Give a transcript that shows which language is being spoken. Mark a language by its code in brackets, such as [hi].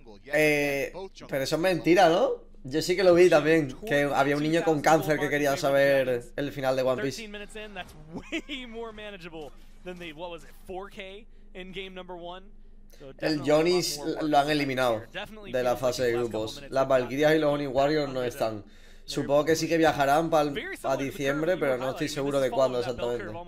[es] Pero eso es mentira, ¿no? Yo sí que lo vi también, que había un niño con cáncer que quería saber el final de One Piece. [en] That's way more manageable than the, what was it, 4K in game number one. [es] El Jonis lo han eliminado de la fase de grupos. Las Valkyrias y los Oni Warriors no están. Supongo que sí que viajarán para diciembre, pero no estoy seguro de cuándo exactamente.